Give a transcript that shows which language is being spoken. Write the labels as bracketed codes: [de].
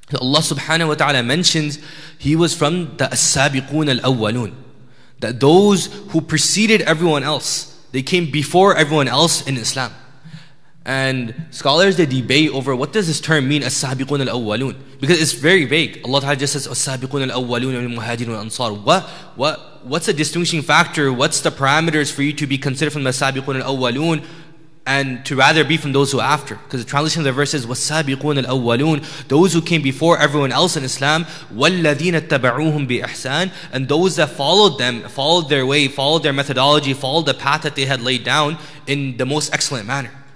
[en] Allah subhanahu wa ta'ala mentions he was from the [ar] السَّابِقُونَ الْأَوَّلُونَ, [en] that those who preceded everyone else, they came before everyone else in Islam. And scholars, they debate over what does this term mean, [ar] السَّابِقُونَ الْأَوَّلُونَ, [en] because it's very vague. Allah ta'ala just says [ar] السَّابِقُونَ الْأَوَّلُونَ مِنَ الْمُهَاجِرِينَ وَالْأَنصَارِ. [en] What's the distinguishing factor? What's the parameters for you to be considered from the [ar] السَّابِقُونَ الْأَوَّلُونَ [en] and to rather be from those who are after? Because the translation of the verse is [ar] وَالسَّابِقُونَ الْأَوَّلُونَ, [en] those who came before everyone else in Islam. [ar] وَالَّذِينَ اتَّبَعُوهُمْ بِإِحْسَانِ, [en] and those that followed them, followed their way, followed their methodology, followed the path that they had laid down in the most excellent manner.